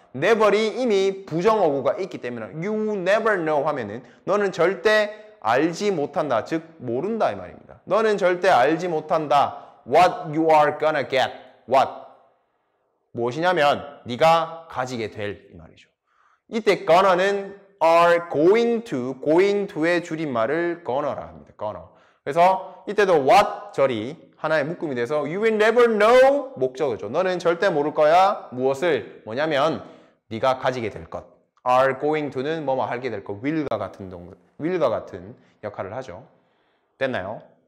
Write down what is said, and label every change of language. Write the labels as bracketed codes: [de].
[ko] never이 이미 부정어구가 있기 때문에 [en] You never know [ko] 하면은 너는 절대 알지 못한다. 즉 모른다. 이 말입니다. 너는 절대 알지 못한다. [en] What you are gonna get. What? [ko] 무엇이냐면 네가 가지게 될. 이 말이죠. 이때 gonna는 [en] are going to. [ko] going to의 줄임말을 gonna라 합니다. gonna. 그래서 이때도 what 절이 하나의 묶음이 돼서 [en] You will never know [ko] 목적이죠. 너는 절대 모를 거야. 무엇을? 뭐냐면 네가 가지게 될 것. [en] Are going to [ko] 는 뭐뭐 하게 될 것. Will과 같은 will과 같은 역할을 하죠. 됐나요?